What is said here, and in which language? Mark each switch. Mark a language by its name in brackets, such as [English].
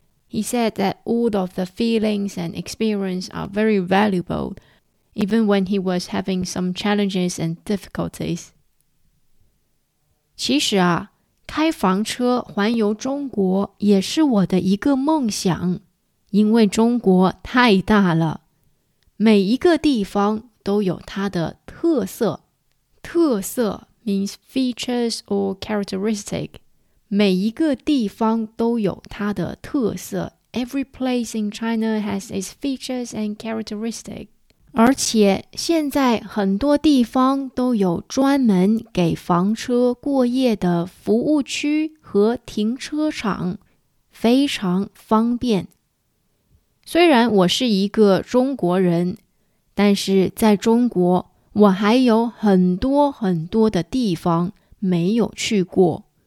[English] He said that all of the feelings and experience are very valuable, even when he was having some challenges and difficulties. [Chinese] 其实啊，开房车环游中国也是我的一个梦想，因为中国太大了，每一个地方都有它的特色。 [English] 特色 means features or characteristic. [Chinese] 每一个地方都有它的特色。 [English] Every place in China has its features and characteristic. [Chinese] 而且现在很多地方都有专门给房车过夜的服务区和停车场，非常方便。虽然我是一个中国人，但是在中国我还有很多很多的地方没有去过。